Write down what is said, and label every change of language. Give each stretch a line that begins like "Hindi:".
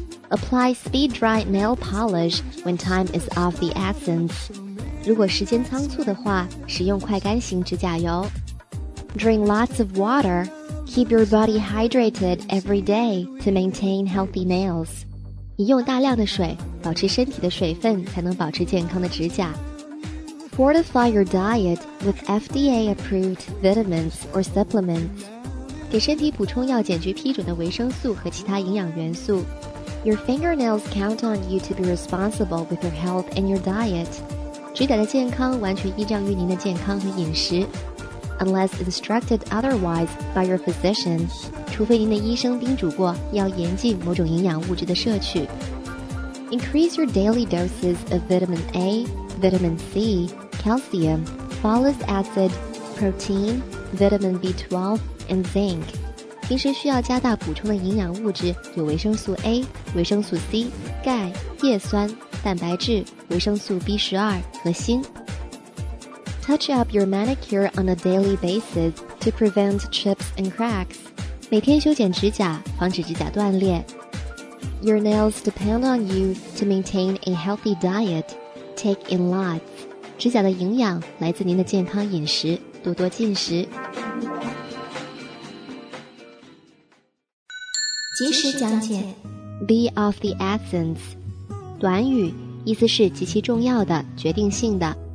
English: Apply speed dry nail polish when time is of the essence.
Chinese: 如果时间仓促的话，使用快干型指甲油。
English: Drink lots of water. Keep your body hydrated every day to maintain healthy nails.
Chinese: 饮用大量的水，保持身体的水分，才能保持健康的指甲。
English: Fortify your diet with FDA-approved vitamins or supplements.
Chinese: 给身体补充药检局批准的维生素和其他营养元素。
English: Your fingernails count on you to be responsible with your health and your diet.
Chinese: 指甲的健康完全依仗于您的健康和饮食。
English: Unless instructed otherwise by your physician,
Chinese: 除非您的医生叮嘱过要严禁某种营养物质的摄取。
English: Increase your daily doses of vitamin A, vitamin C, calcium, folic acid, protein, vitamin B12, and zinc.
Chinese: 平时需要加大补充的营养物质有维生素 A, 维生素 C, 钙、叶酸、蛋白质、维生素 B12 和锌。
English: Touch up your manicure on a daily basis to prevent chips and cracks.
Chinese: 每天修剪指甲，防止指甲断裂。
English: Your nails depend on you to maintain a healthy diet. Take in lots.
Chinese: 指甲的营养来自您的健康饮食，多多进食。及时讲解。
English: Be of the essence.
Chinese: 短语，意思是极其重要的，决定性的。